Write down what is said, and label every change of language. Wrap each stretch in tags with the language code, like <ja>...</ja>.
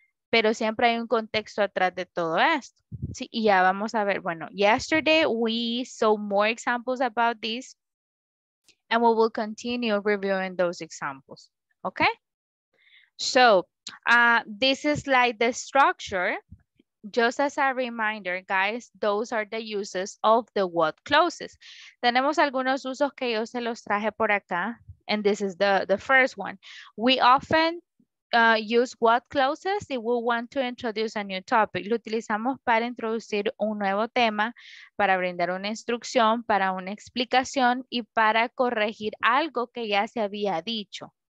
<es>Pero siempre hay un contexto atrás de todo esto. Sí, y ya vamos a ver.</es> <en>Bueno, yesterday we saw more examples about this. And we will continue reviewing those examples. Okay? So, this is like the structure. Just as a reminder, guys, those are the uses of the what clauses.</en> <es>Tenemos algunos usos que yo se los traje por acá.</es> <en>And this is the first one. We often use what clauses if we want to introduce a new topic.</en> <es>Lo utilizamos para introducir un nuevo tema, para brindar una instrucción, para una explicación y para corregir algo que ya se había dicho.</es>